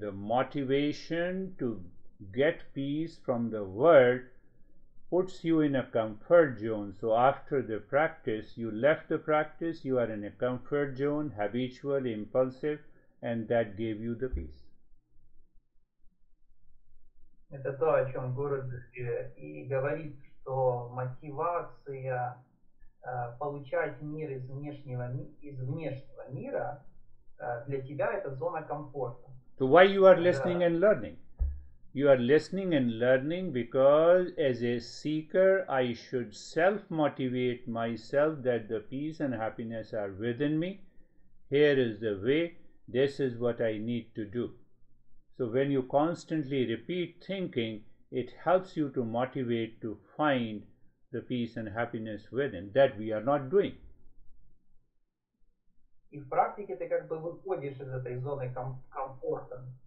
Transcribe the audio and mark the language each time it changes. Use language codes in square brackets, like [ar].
[en] The motivation to get peace from the world puts you in a comfort zone. So after the practice, you left the practice, you are in a comfort zone, habitual, impulsive, and that gave you the peace. [ru] Это то, о чем Гуруджи и говорит, что мотивация получать мир из внешнего мира. Для тебя это зона комфорта. [en] So why you are listening and learning? You are listening and learning because as a seeker, I should self-motivate myself that the peace and happiness are within me. Here is the way. This is what I need to do. So when you constantly repeat thinking, it helps you to motivate to find the peace and happiness within that we are not doing. [ru] И в практике ты как бы выходишь из этой зоны комфорта.